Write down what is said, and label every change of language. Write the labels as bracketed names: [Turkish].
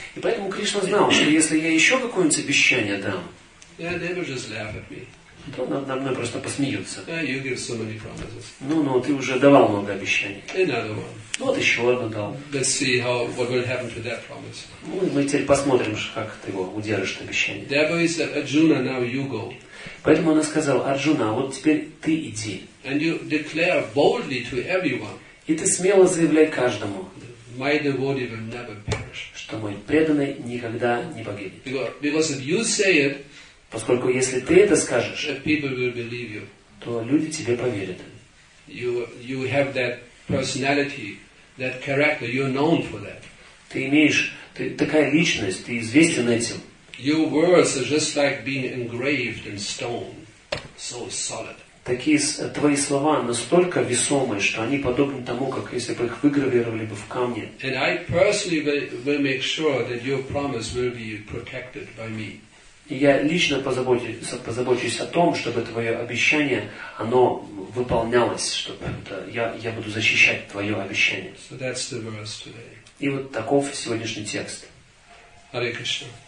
[Russian] и поэтому Кришна знал, что если я еще какое-нибудь обещание дам, [English] they will just laugh at me. [Russian] То надо мной просто посмеются. [English] Yeah, you give so many promises. [Russian] Ну, ты уже давал много обещаний. [English] Another one. [Russian] Ну, вот еще одно дал. [English] Let's see how what will happen to that promise. [Russian] Ну, мы теперь посмотрим, как ты его удержишь это обещание. [English] Therefore, he said, Arjuna, now you go. [Russian] Поэтому она сказала: Арджуна, вот теперь ты иди. [English] And you declare boldly to everyone. [Russian] И ты смело заявляй каждому. [English] My devotee will never perish. [Russian] Что мой преданный никогда не погибнет. [English] Because if you say it, [Russian] поскольку если ты это скажешь, [English] people will believe you. [Russian] То люди тебе поверят. [English] You have that personality, that character. You're known for that. [Russian] Ты имеешь, ты такая личность, ты известен этим. [English] Your words are just like being engraved in stone, so solid. [Russian] Такие твои слова настолько весомые, что они подобны тому, как если бы их выгравировали бы в камне. [English] And I personally will make sure that your promise will be protected by me. [Russian] И я лично позабочусь о том, чтобы твое обещание, оно выполнялось, чтобы это, я буду защищать твое обещание. [English] So that's the verse today. [Russian] И вот таков сегодняшний текст. [English] Hare Krishna.